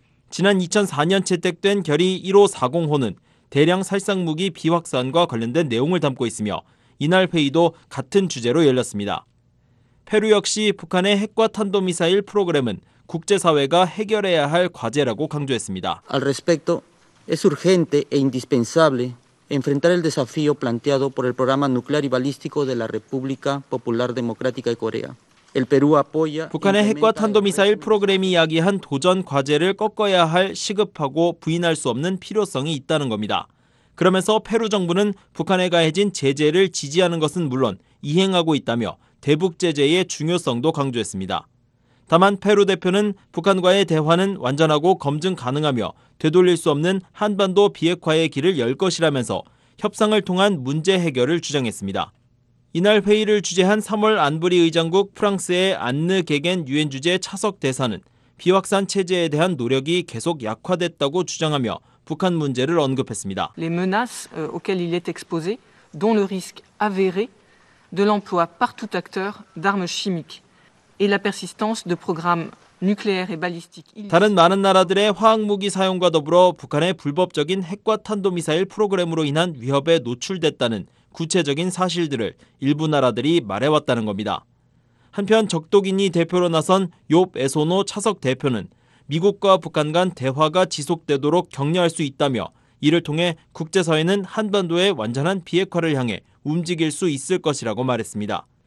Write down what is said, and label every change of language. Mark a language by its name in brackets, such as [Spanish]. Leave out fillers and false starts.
[Korean] 지난 2004년 채택된 결의 1540호는 대량 살상무기 비확산과 관련된 내용을 담고 있으며 이날 회의도 같은 주제로 열렸습니다. 페루 역시 북한의 핵과 탄도미사일 프로그램은 국제사회가 해결해야 할 과제라고 강조했습니다. [Spanish] Al respecto, es urgente e indispensable enfrentar el desafío planteado por el programa nuclear y balístico de la República Popular Democrática de Corea. [Korean] 북한의 핵과 탄도미사일 프로그램이 야기한 도전 과제를 꺾어야 할 시급하고 부인할 수 없는 필요성이 있다는 겁니다. 그러면서 페루 정부는 북한에 가해진 제재를 지지하는 것은 물론 이행하고 있다며 대북 제재의 중요성도 강조했습니다. 다만 페루 대표는 북한과의 대화는 완전하고 검증 가능하며 되돌릴 수 없는 한반도 비핵화의 길을 열 것이라면서 협상을 통한 문제 해결을 주장했습니다. 이날 회의를 주재한 3월 안보리 의장국 프랑스의 안느 게겐 유엔 주재 차석 대사는 비확산 체제에 대한 노력이 계속 약화됐다고 주장하며 북한 문제를 언급했습니다. [French] Les menaces auxquelles il est exposé, dont le risque avéré de l'emploi par tout acteur d'armes chimiques et la persistance de programmes nucléaires et balistiques. [Korean] 다른 많은 나라들의 화학 무기 사용과 더불어 북한의 불법적인 핵과 탄도 미사일 프로그램으로 인한 위협에 노출됐다는 구체적인 사실들을 일부 나라들이 말해왔다는 겁니다. 한편 적도기니 대표로 나선 욥 에소노 차석 대표는 미국과 북한 간 대화가 지속되도록 격려할 수 있다며 이를 통해 국제사회는 한반도의 완전한 비핵화를 향해 움직일 수 있을 것이라고 말했습니다.